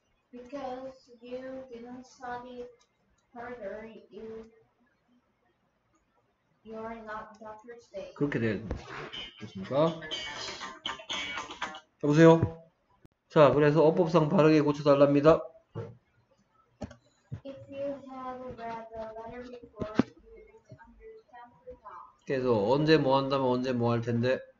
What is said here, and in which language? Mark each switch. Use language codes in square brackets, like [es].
[en] Because you didn't study further, you are not doctor today. [ko] 그렇게 되어 있습니까? 여보세요? 자, 그래서 어법상 바르게 고쳐달랍니다. [en] If you have read the letter before, you understand pretty well. [ko] 그래서 언제 뭐 한다면 언제 뭐할 텐데?